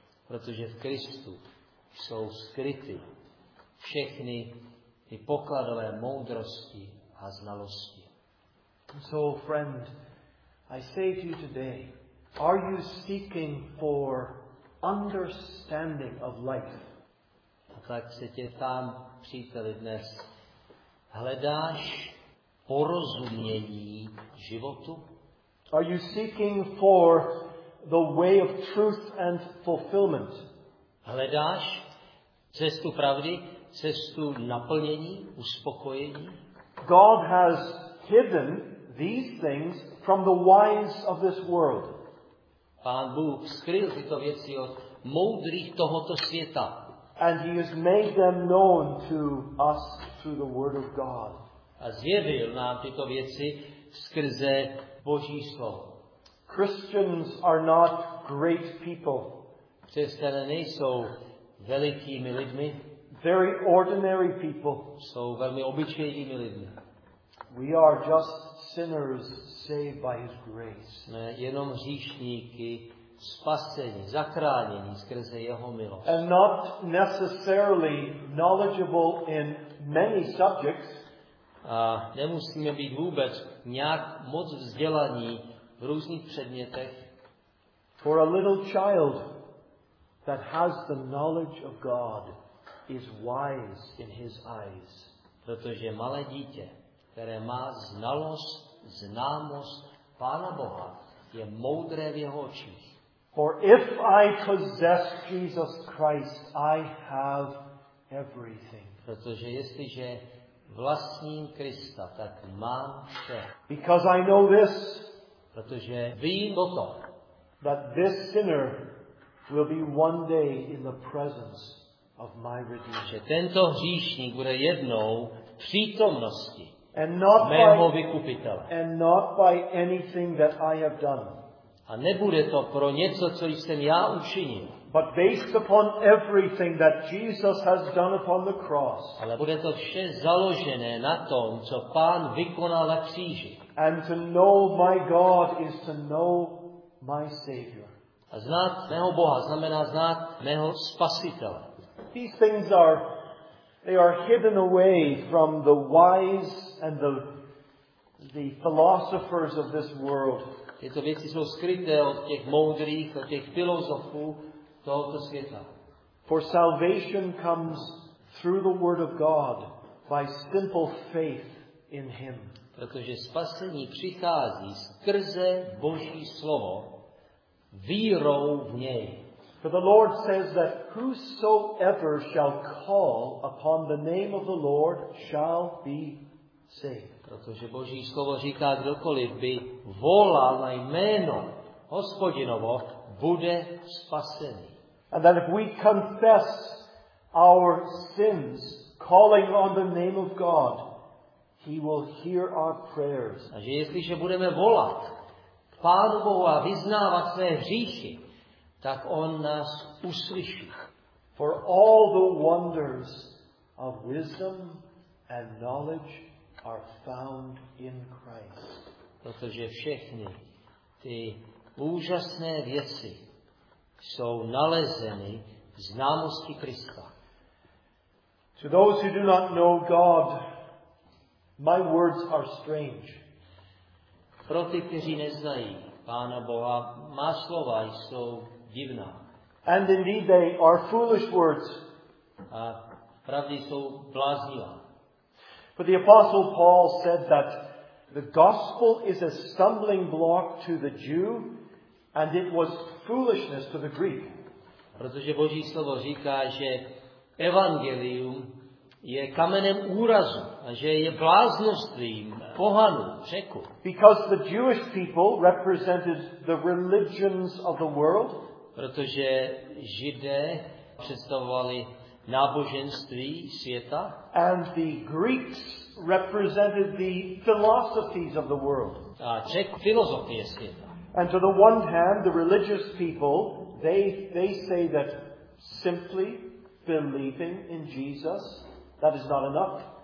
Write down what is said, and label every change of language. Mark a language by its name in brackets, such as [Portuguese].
[Czech] Protože v Kristu jsou skryty všechny ty pokladové moudrosti a znalosti. [English] So, friend, I say to you today, are you seeking for understanding of life? [Czech] A tak se tě tam, příteli, dnes, hledáš porozumění životu? [English] Are you seeking for the way of truth and fulfillment? [Czech] Hledáš cestu pravdy, cestu naplnění, uspokojení? [English] God has hidden these things from the wise of this world. [Czech] Pán Bůh skryl tyto věci od moudrých tohoto světa. [English] And he has made them known to us through the word of God. [Czech] A zjevil nám tyto věci skrze Boží slovo. [English] Christians are not great people. [Czech] Křesťané nejsou velikými lidmi. [English] Very ordinary people. [Czech] Jsou velmi obyčejnými lidmi. [English] We are just sinners saved by his grace. [Czech] Jsme jenom hříšníky spasení, zachráněni skrze jeho milost. [English] And not necessarily knowledgeable in many subjects. [Czech] A nemusíme být vůbec nějak moc vzdělaní v různých předmětech. [English] For a little child that has the knowledge of God is wise in his eyes. [Czech] Protože malé dítě, které má znalost, známost Pána Boha, je moudré v jeho očích. [English] For if I possess Jesus Christ, I have everything. [Czech] Protože jestliže vlastním Krista, tak mám vše. [English] Because I know this, [Czech] protože vím o tom, [English] that this sinner will be one day in the presence of my Redeemer. [Czech] Že tento hříšník bude jednou v přítomnosti mého vykupitele. [English] And not by anything that I have done. [Czech] A nebude to pro něco, co jsem já učinil. [English] But based upon everything that Jesus has done upon the cross. [Czech] Ale bude to vše založené na tom, co Pán vykonal na kříži. [English] And to know my God is to know my Savior. [Czech] A znát mého Boha znamená znát mého Spasitele. [English] These things are, they are hidden away from the wise and the philosophers of this world. [Czech] Tyto věci jsou skryté od těch moudrých, od těch filozofů tohoto světa. [English] For salvation comes through the word of God by simple faith in him. [Czech] Protože spasení přichází skrze Boží slovo vírou v něj. [English] For the Lord says that whosoever shall call upon the name of the Lord shall be saved. [Czech] Protože Boží slovo říká, kdokoliv by volal na jméno Hospodinovo, bude spasený. [English] And that if we confess our sins, calling on the name of God, he will hear our prayers. [Czech] A že jestliže budeme volat Pánu Bohu a vyznávat své hříchy, tak on nás uslyší. [English] For all the wonders of wisdom and knowledge are found in Christ. [Czech] Protože všechny ty úžasné věci jsou nalezeny v známosti Krista. [English] To those who do not know God, my words are strange. [Czech] Pro ty, kteří neznají Pána Boha, má slova jsou divná. [English] And indeed they are foolish words. [Czech] A pravdy jsou bláznivá. [English] But the Apostle Paul said that the gospel is a stumbling block to the Jew and it was foolishness to the Greek. [Czech] Protože Boží slovo říká, že evangelium je kamenem úrazu a že je bláznostvím pohanu, řeku. [English] Because the Jewish people represented the religions of the world. [Czech] Protože Židé představovali náboženství světa. [English] And the Greeks represented the philosophies of the world. [Czech] A Czech filozofie světa. [English] And to the one hand, the religious people, they say that simply believing in Jesus, that is not enough.